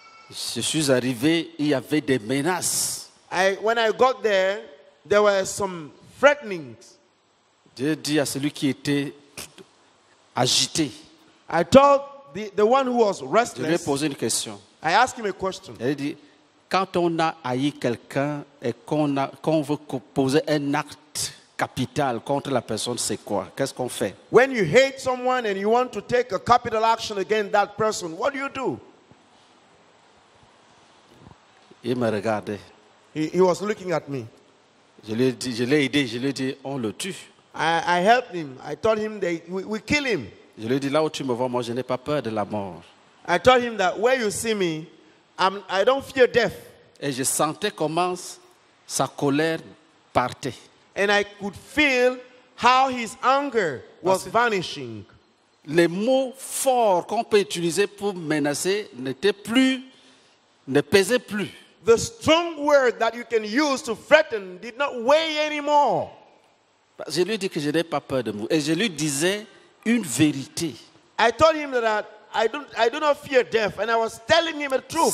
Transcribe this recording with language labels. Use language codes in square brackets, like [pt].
[fr] Je suis arrivé, il y avait des menaces. [en] When I got there, there were some threatenings. [fr] Je dis à celui qui était agité. [en] I told the one who was restless. [fr] Je lui ai posé une question. [en] I asked him a question. [fr] Il dit, quand on a haï quelqu'un et qu'on veut poser un acte capital contre la personne, c'est quoi? Qu'est-ce qu'on fait? [en] When you hate someone and you want to take a capital action against that person, what do you do? [fr] Il me regardait. [en] He was looking at me. [fr] Je l'ai aidé, on le tue. [en] I helped him. I told him that we kill him. [fr] Je lui ai dit, là où tu me vois, moi, je n'ai pas peur de la mort. [en] I told him that where you see me, I don't fear death. [fr] Et je sentais comment sa colère partait. [en] And I could feel how his anger was vanishing. [fr] Les mots forts qu'on peut utiliser pour menacer n'étaient plus, ne pesaient plus. [en] The strong word that you can use to threaten did not weigh anymore. [fr] Je lui ai dit que je n'ai pas peur de vous. Et je lui disais une vérité. [en] I told him that I do not fear death, and I was telling him the truth.